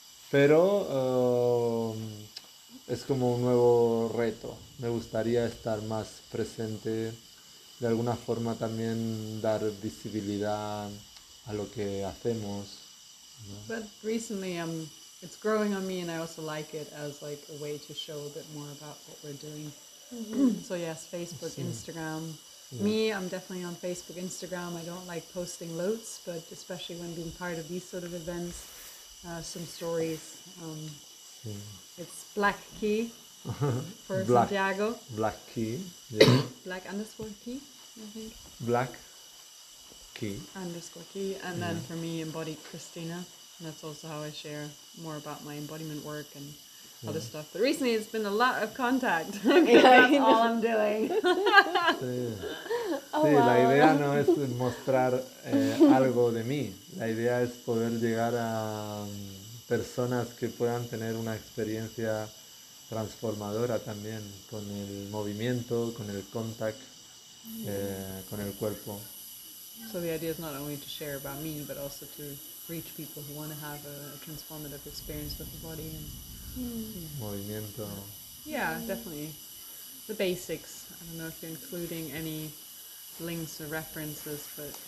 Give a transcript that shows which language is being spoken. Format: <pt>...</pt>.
<es>Pero es como un nuevo reto. Me gustaría estar más presente, de alguna forma también dar visibilidad a lo que hacemos.</es> <en>But recently, it's growing on me, and I also like it as like a way to show a bit more about what we're doing. So yes, Facebook, Instagram. Yeah. Me, I'm definitely on Facebook, Instagram. I don't like posting loads, but especially when being part of these sort of events, some stories. It's Black Key for Black, Santiago. Black Key. Yeah. Black _ Key, I think. Black Key. _ Key. And then for me, Embodied Cristina. And that's also how I share more about my embodiment work and other stuff. But recently it's been a lot of contact. That's all I'm doing.</en> <es>Sí, oh, wow. La idea no es mostrar algo de mí. La idea es poder llegar a personas que puedan tener una experiencia transformadora también con el movimiento, con el contact, con el cuerpo.</es> <en>So the idea is not only to share about me, but also to reach people who want to have a transformative experience with the body and</en> <es>movimiento.</es> <en>Yeah, definitely. The basics. I don't know if you're including any links or references, but</en>